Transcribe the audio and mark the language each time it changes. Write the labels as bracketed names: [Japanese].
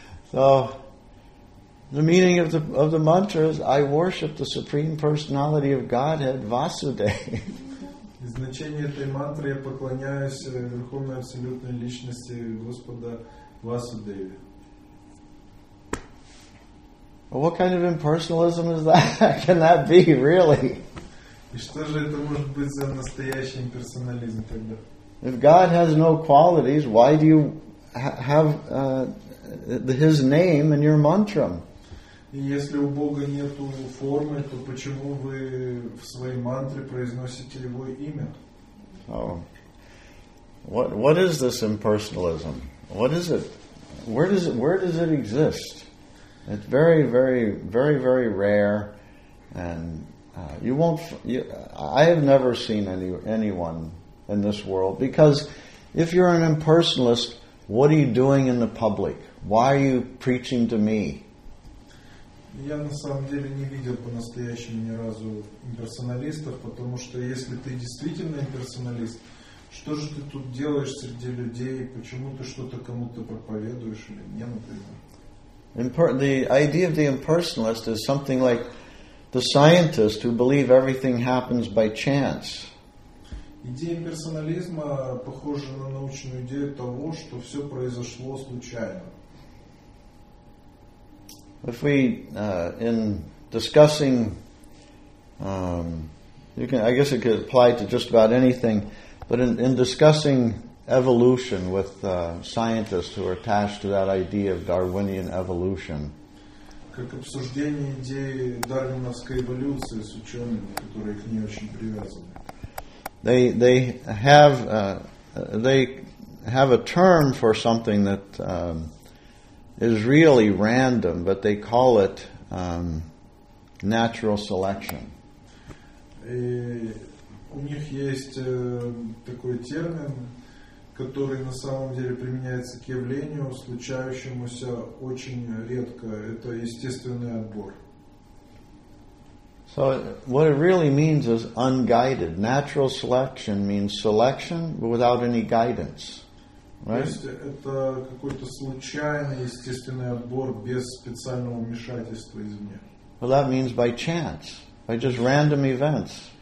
[English] So the meaning of the mantra is I worship the Supreme Personality of Godhead, Vasudev. [Russian] Значение этой мантры я поклоняюсь Верховной Абсолютной Личности Господа Васудеве. [English] What kind of impersonalism is that? Can that be, really? [Russian] И что же это может быть за настоящий имперсонализм тогда? [English] If God has no qualities, why do you have His name in your mantra? [Russian] И если у Бога нет формы, то почему вы в своей мантре произносите Его имя? [English] Oh. What is this impersonalism? What is it? Where does it exist? It's very, very, very, very rare. And I have never seen anyone in this world. Because if you're an impersonalist, what are you doing in the public? Why are you preaching to me? [Russian] Я на самом деле не видел по-настоящему ни разу имперсоналистов, потому что если ты действительно имперсоналист, что же ты тут делаешь среди людей, почему ты что-то кому-то проповедуешь или мне, например? [English] The idea of the impersonalist is something like the scientist who believe everything happens by chance. [Russian] Идея имперсонализма похожа на научную идею того, что все произошло случайно. [English] If we in discussing, I guess it could apply to just about anything, but in discussing evolution with scientists who are attached to that idea of Darwinian evolution. [Russian] Как обсуждение идеи дарвиновской эволюции с учеными, которые к ней очень привязаны. [English] They have a term for something that. Is really random, but they call it natural selection. [Russian] У них есть такой термин, который на самом деле применяется к явлению, случающемуся очень редко. Это естественный отбор. [English] So what it really means is unguided. Natural selection means selection without any guidance. Right? [Russian] То есть это какой-то случайный естественный отбор без специального вмешательства извне. [English] Well, that means by chance, by just random events.